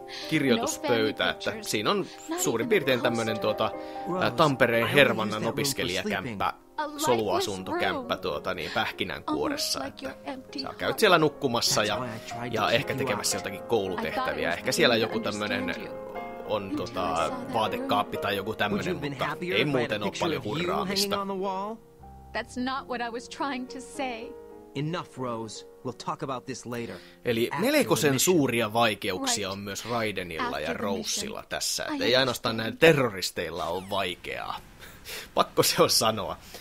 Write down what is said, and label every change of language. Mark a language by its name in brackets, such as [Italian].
[Finnish] Kirjoituspöytä, että siinä on suurin piirtein tämmöinen Tampereen Hervannan opiskelijakämppä, soluasuntokämppä pähkinänkuoressa, että sä käyt siellä nukkumassa ja ehkä tekemässä jotakin koulutehtäviä, ehkä siellä joku tämmöinen on vaatekaappi tai joku tämmöinen, mutta ei muuten ole paljon hurraamista. [English] That's not what I was trying to say. Enough, Rose. We'll talk about this later. [Finnish] Eli melkoisen suuria vaikeuksia on myös Raidenilla ja Rosella tässä. Että ei ainoastaan näillä terroristeilla ole vaikeaa. Pakko se on sanoa.